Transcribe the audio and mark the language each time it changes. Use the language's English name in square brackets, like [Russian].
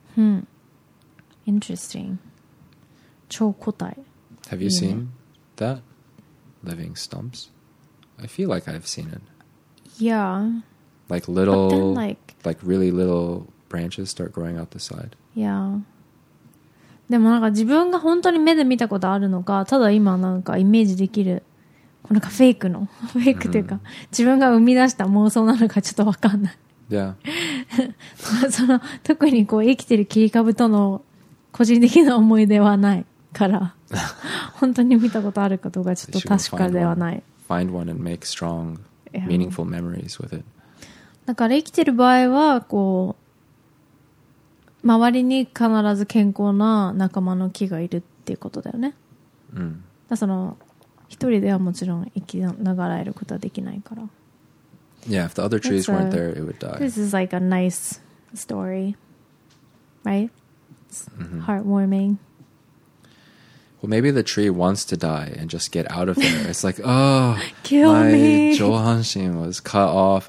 [English] Hmm. Interesting. 超固体. Have you seen that? Living stumps? I feel like I've seen it. Yeah. Like little, like really little branches start growing out the side. Yeah. [Japanese] でもなんか自分が本当に目で見たことあるのか、ただ今なんかイメージできる、こうなんかフェイクの、フェイクというか、mm-hmm. 自分が生み出した妄想なのかちょっとわかんない。 [English] Yeah. [Japanese] その、特にこう生きてる切り株との個人的な思い出はないから、本当に見たことあるかどうかちょっと確かではない。 [English] Find one and make strong, meaningful memories with it. [Japanese] だから生きてる場合は、こう、周りに必ず健康な仲間の木がいるっていうことだよね。うん。だその一人ではもちろん生きながらえることはできないから。 [English] Yeah, if the other trees weren't there, it would die. This is like a nice story, right? It's heartwarming. Well, maybe the tree wants to die and just get out of there. It's like, oh, my 上半身 was cut off.